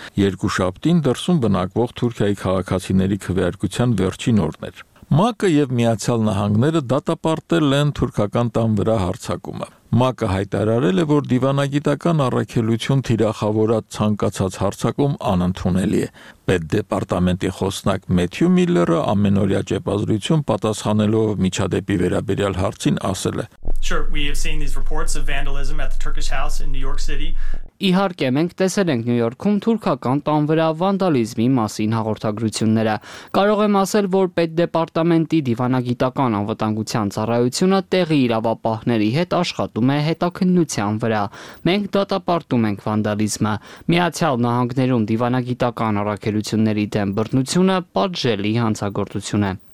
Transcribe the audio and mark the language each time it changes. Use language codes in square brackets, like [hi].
[hy] Երկու շաբթին դրսում բնակվող Թուրքիայի քաղաքացիների քվեարկության վերջին օրն էր։ ՄԱԿ-ը եւ Միացյալ Նահանգները դատապարտել են Թուրքական տան վրա հարձակումը։ ՄԱԿ-ը հայտարարել է, որ դիվանագիտական առաքելություն թիրախավորած ցանկացած հարձակում անընդունելի է։ Պետ դեպարտամենտի խոսնակ Մեթյու Միլլերը ամենօրյա ճեպազրություն պատասխանելով միջադեպի վերաբերյալ հարցին ասել է. [en] Sure, we have seen these reports of vandalism at the Turkish House in New York City. [hy] Իհարկե, մենք տեսել ենք Նյու Յորքում թուրքական տան վրա վանդալիզմի մասին հաղորդագրությունները։ Կարող եմ ասել, որ Պետդեպարտամենտի դիվանագիտական անվտանգության ծառայությունը տեղի իրավապահների հետ աշխատում է հետաքննության վրա։ Մենք դատապարտում ենք վանդալիզմը։ Միացյալ Նահանգներում դիվանագիտական առաքելությունների դեմ բռնությունը պատժելի հանցագործություն է։